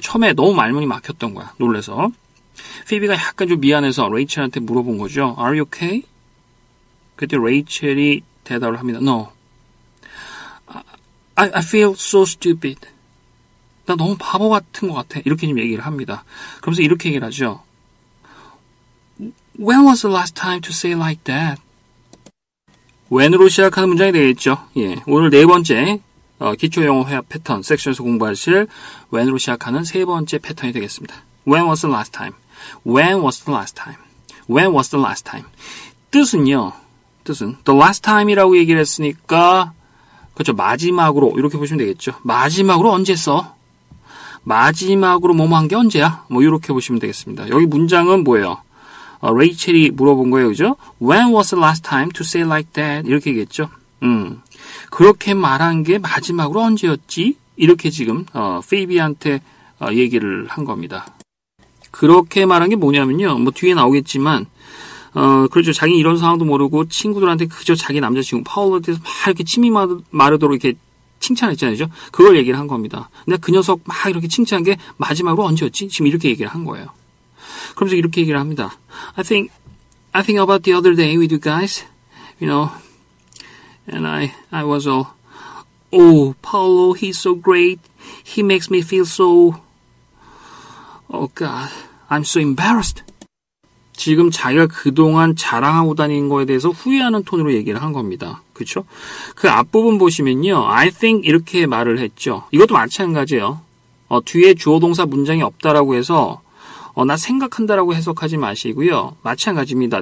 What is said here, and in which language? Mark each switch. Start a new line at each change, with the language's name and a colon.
Korean: 처음에 너무 말문이 막혔던 거야. 놀래서. 피비가 약간 좀 미안해서 레이첼한테 물어본 거죠.
English: Are you okay?
Korean: 그때 레이첼이 대답을 합니다.
English: No. I feel so stupid.
Korean: 나 너무 바보 같은 것 같아. 이렇게 좀 얘기를 합니다. 그러면서 이렇게 얘기를 하죠.
English: When was the last time to say like that?
Korean: When으로 시작하는 문장이 되겠죠. 예, 오늘 네 번째 기초영어 회화 패턴 섹션에서 공부하실 When으로 시작하는 세 번째 패턴이 되겠습니다.
English: When was the last time? When was the last time? When was the last time?
Korean: 뜻은요. 뜻은 the last time이라고 얘기를 했으니까 그렇죠. 마지막으로 이렇게 보시면 되겠죠. 마지막으로 언제 써? 마지막으로 뭐뭐 한 게 언제야? 뭐 이렇게 보시면 되겠습니다. 여기 문장은 뭐예요? 레이첼이 물어본 거예요. 그죠?
English: When was the last time to say like that?
Korean: 이렇게 얘기했죠. 그렇게 말한 게 마지막으로 언제였지? 이렇게 지금 페이비한테 얘기를 한 겁니다. 그렇게 말한 게 뭐냐면요. 뭐 뒤에 나오겠지만 그렇죠. 자기 이런 상황도 모르고 친구들한테 그저 자기 남자친구 파울한테 막 이렇게 침이 마르도록 이렇게 칭찬했잖아요. 그렇죠? 그걸 얘기를 한 겁니다. 근데 그 녀석 막 이렇게 칭찬한 게 마지막으로 언제였지? 지금 이렇게 얘기를 한 거예요. 그러면서 이렇게 얘기를 합니다.
English: I think about the other day with you guys. You know. And I was all, oh, Paulo, he's so great. He makes me feel so, oh God, I'm so embarrassed.
Korean: 지금 자기가 그동안 자랑하고 다닌 거에 대해서 후회하는 톤으로 얘기를 한 겁니다. 그쵸? 그 앞부분 보시면요.
English: I think
Korean: 이렇게 말을 했죠. 이것도 마찬가지예요. 뒤에 주어동사 문장이 없다라고 해서, 나 생각한다라고 해석하지 마시고요. 마찬가지입니다.